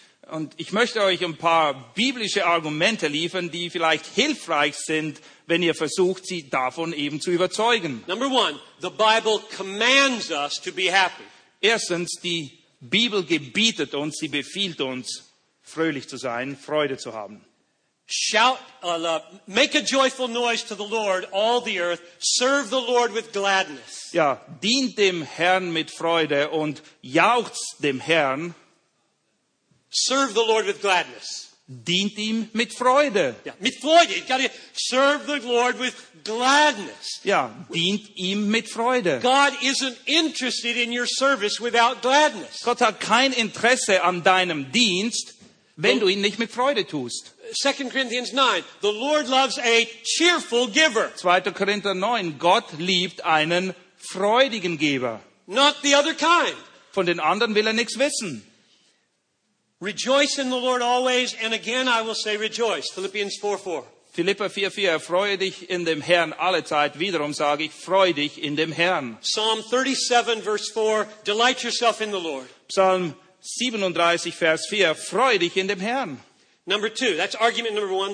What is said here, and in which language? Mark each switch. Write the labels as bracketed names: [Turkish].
[German] Und ich möchte euch ein paar biblische Argumente liefern, die vielleicht hilfreich sind, wenn ihr versucht, sie davon eben zu überzeugen. [English] Number one, the Bible commands us to be happy. [German] Erstens, die Bibel gebietet uns, sie befiehlt uns, fröhlich zu sein, Freude zu haben. [English] Shout, make a joyful noise to the Lord, all the earth. Serve the Lord with gladness. [German] Ja, dient dem Herrn mit Freude und jauchzt dem Herrn. [English] Serve the Lord with gladness. [German] Dient ihm mit Freude. Ja, mit Freude. [English] You gotta serve the Lord with gladness. [German] Ja, dient ihm mit Freude. [English] God isn't interested in your service without gladness. [German] Gott hat kein Interesse an deinem Dienst, wenn du ihn nicht mit Freude tust. [English] 2 Corinthians 9. The Lord loves a cheerful giver. [German] 2. Korinther 9. Gott liebt einen freudigen Geber. [English] Not the other kind. [German] Von den anderen will er nichts wissen. [English] Rejoice in the Lord always, and again I will say rejoice. Philippians 4:4. [German] Philipper 4:4. Erfreue dich in dem Herrn alle Zeit. Wiederum sage ich, freu dich in dem Herrn. [English] Psalm 37, verse 4. Delight yourself in the Lord. [German] Psalm 37, Vers 4. Freu dich in dem Herrn. [English] Number two. That's argument number one.